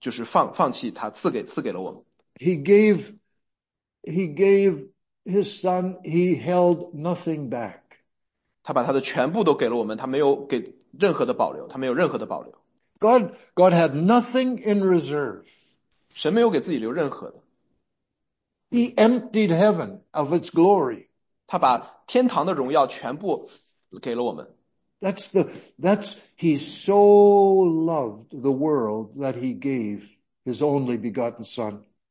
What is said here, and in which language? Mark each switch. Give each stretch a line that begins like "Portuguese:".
Chinese: 他为了我们就是放弃他赐给了我们。
English: He gave his son, he held nothing back.
Chinese: 他把他的全部都给了我们,他没有给任何的保留,他没有任何的保留。
English: God had nothing in reserve.
Chinese: 神没有给自己留任何的。
English: He emptied heaven of its glory.
Chinese: 他把天堂的荣耀全部给了我们。
English: He so loved the world that he gave his only begotten son.